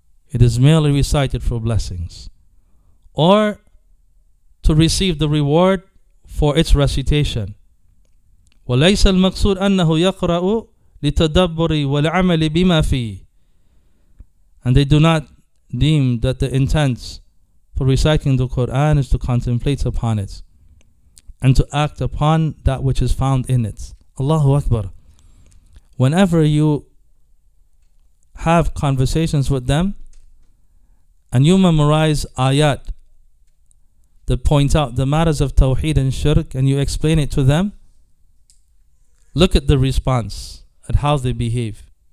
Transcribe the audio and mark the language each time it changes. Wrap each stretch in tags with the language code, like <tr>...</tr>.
<en>It is merely recited for blessings. Or to receive the reward for its recitation.</en> <ar>وليس المقصود أنه يقرأ لتدبر والعمل بما فيه.</ar> <en>And they do not deem that the intent for reciting the Quran is to contemplate upon it and to act upon that which is found in it. Allahu Akbar. Whenever you have conversations with them and you memorize ayat that point out the matters of tawheed and shirk and you explain it to them, look at the response, at how they behave.</en>